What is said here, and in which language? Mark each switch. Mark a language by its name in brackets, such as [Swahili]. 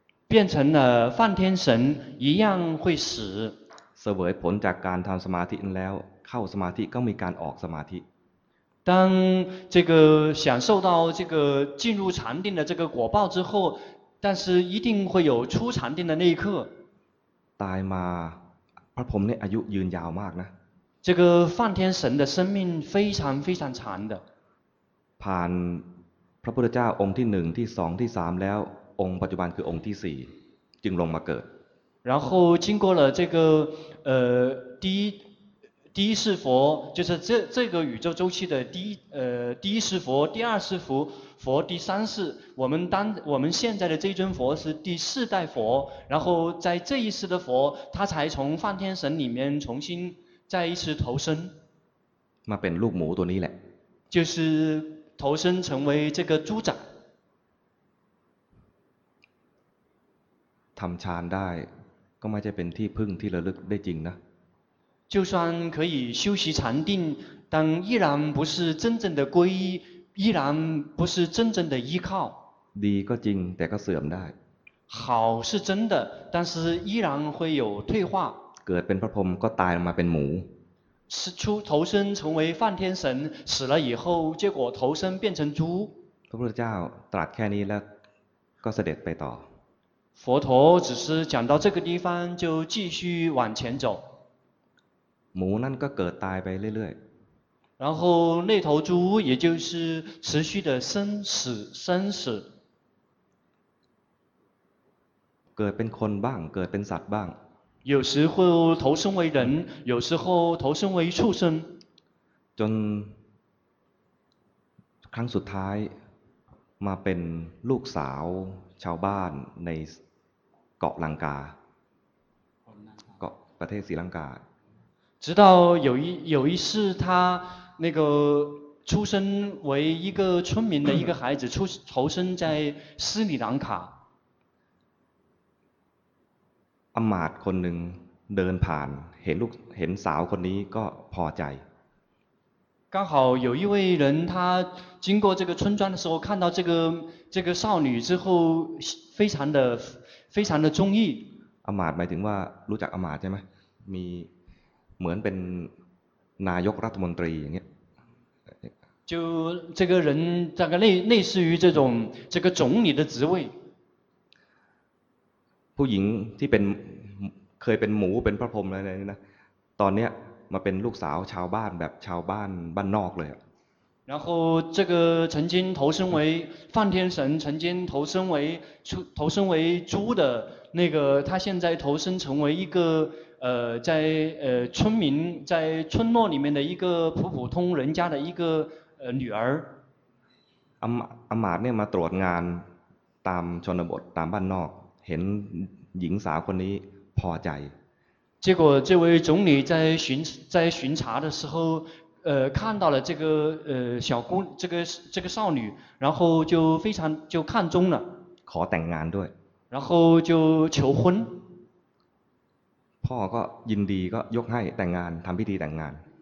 [Chinese] 变成了梵天神一样会死 [Thai] เสวยผลจากการทำสมาธินั้นแล้วเข้าสมาธิก็มีการออกสมาธิ [Chinese] 当这个享受到这个进入禅定的这个果报之后但是一定会有出禅定的那一刻 [Thai] ตายมาพระพรหมเนี่ยอายุยืนยาวมากนะ [Chinese] 这个梵天神的生命非常非常长的 [Thai] ผ่านพระพุทธเจ้าองค์ที่หนึ่งที่สองที่สามแล้วองค์ปัจจุบันคือองค์ที่สี่จึงลงมาเกิด [Chinese] 然后经过了这个第一世佛就是这个宇宙周期的第一世佛第二世佛第三世我们现在的这尊佛是第四代佛然后在这一世的佛他才从梵天神里面重新再一次投生 [Thai] มาเป็นลูกหมูตัวนี้แหละ [Chinese] 就是投生成为这个猪仔 [Thai] ทำฌานได้ก็ไม่ใช่เป็นที่พึ่งที่ระลึกได้จริงนะ [Chinese] 就算可以修习禅定但依然不是真正的皈依依然不是真正的依靠 [Thai] ดีก็จริงแต่ก็เสื่อมได้ [Chinese] 好是真的但是依然会有退化 [Thai] เกิดเป็นพระพรหมก็ตายมาเป็นหมู [Chinese] 出投身成为梵天神死了以后结果投身变成猪 [Thai] พระพุทธเจ้าตรัสแค่นี้แล้วก็เสด็จไปต่อ [Chinese] 佛陀只是讲到这个地方就继续往前走 [Thai] หมูนั่นก็เกิดตายไปเรื่อย [Chinese] ๆ然后那头猪也就是持续的生死生死 [Thai] เกิดเป็นคนบ้างเกิดเป็นสัตว์บ้าง [Chinese] 有时候投身为人有时候投身为畜生 [Thai] จนครั้งสุดท้ายมาเป็นลูกสาวชาวบ้านในเกาะลังกาเกาะประเทศศรีลังกา [Chinese] 直到有一次他那个出生为一个村民的一个孩子投身在斯里兰卡 [Thai] อำมาตย์คนหนึ่งเดินผ่านเห็นลูกเห็นสาวคนนี้ก็พอใจ [Chinese] 刚好有一位人他经过这个村庄的时候看到这个少女之后非常的中意 [Thai] อำมาตย์หมายถึงว่ารู้จักอำมาตย์ใช่ไหมมีเหมือนเป็นนายกรัฐมนตรีอย่างเงี้ [Chinese] ย就这个人大概类似于这个总理的职位 [Thai] ผู้หญิงที่เป็นเคยเป็นหมูเป็นพระพรหมอะไรนี่นะตอนเนี้ยมาเป็นลูกสาวชาวบ้านแบบชาวบ้านบ้านนอกเลย [Chinese] 然后这个曾经投身为梵天神曾经投身为猪的那个他现在投身成为一个在村民在村落里面的一个普普通人家的一个女儿 [Thai] อำมาตย์เนี่ยมาตรวจงานตามชนบทตามบ้านนอกเห็นหญิงสาวคนนี้พอใจ [Chinese] 结果这位总理在巡查的时候看到了这个小姑这个少女然后就非常就看中了 [Thai] ขอแต่งงานด้วย [Chinese] 然后就求婚 [Thai] พ่อก็ยินดีก็ยกให้แต่งงานทำพิธีแต่งงาน